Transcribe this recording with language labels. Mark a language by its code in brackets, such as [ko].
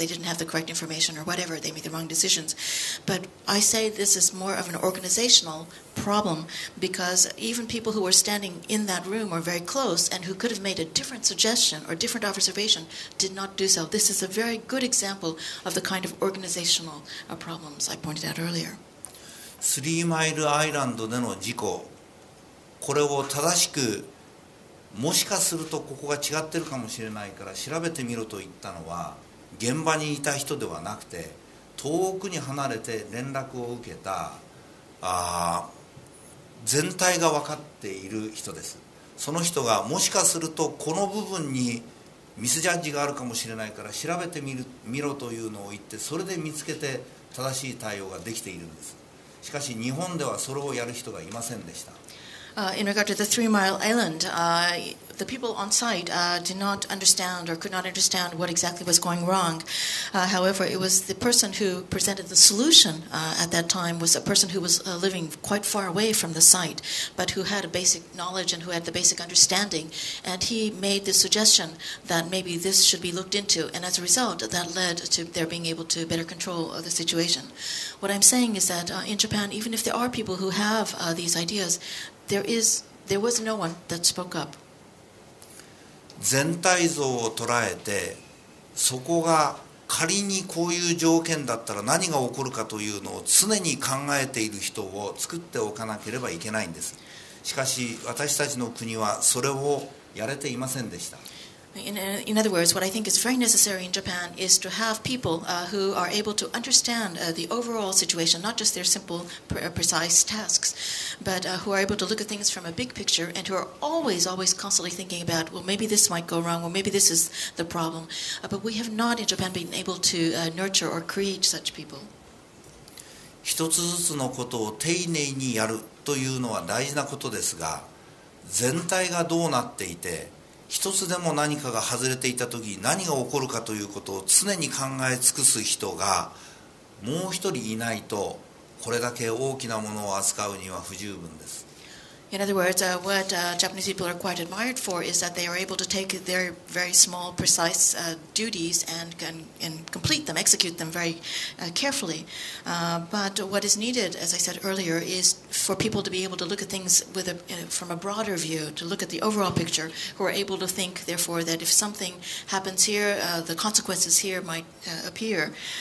[en] They didn't have the correct information or whatever. They made the wrong decisions. But I say this is more of an organizational problem, because even people who were standing in that room or very close and who could have made a different suggestion or different observation did not do so. This is a very good example of the kind of organizational problems I pointed out earlier. [ja] スリーマイルアイランドでの事故、これを正しく、もしかするとここが違ってるかもしれないから調べてみろと言ったのは現場にいた人ではなくて、遠くに離れて連絡を受けた全体が分かっている人です。その人がもしかするとこの部分にミスジャッジがあるかもしれないから調べてみろというのを言って、それで見つけて正しい対応ができているんです。しかし日本ではそれをやる人がいませんでした。 [en] In regard to the Three Mile Island, the people on site did not understand or could not understand what exactly was going wrong. However, it was the person who presented the solution at that time was a person who was living quite far away from the site, but who had a basic knowledge and who had the basic understanding. And he made the suggestion that maybe this should be looked into. And as a result, that led to their being able to better control the situation. What I'm saying is that in Japan, even if there are people who have these ideas,There was no one that spoke up. [ja] 全体像を捉えて、そこが仮にこういう条件だったら何が起こるかというのを常に考えている人を作っておかなければいけないんです。しかし私たちの国はそれをやれていませんでした。 [en] In other words, what I think is very necessary in Japan is to have people who are able to understand the overall situation, not just their simple, precise tasks, but who are able to look at things from a big picture and who are always, always constantly thinking about, well, maybe this might go wrong, well, maybe this is the problem. But we have not in Japan been able to nurture or create such people. [ja] 一つずつのことを丁寧にやるというのは大事なことですが、全体がどうなっていて、一つでも何かが外れていたとき何が起こるかということを常に考え尽くす人がもう一人いないと、これだけ大きなものを扱うには不十分です。 [en] In other words, what Japanese people are quite admired for is that they are able to take their very small, precise duties and complete them, execute them very carefully. But what is needed, as I said earlier, is for people to be able to look at things with a, from a broader view, to look at the overall picture, who are able to think, therefore, that if something happens here, the consequences here might appear.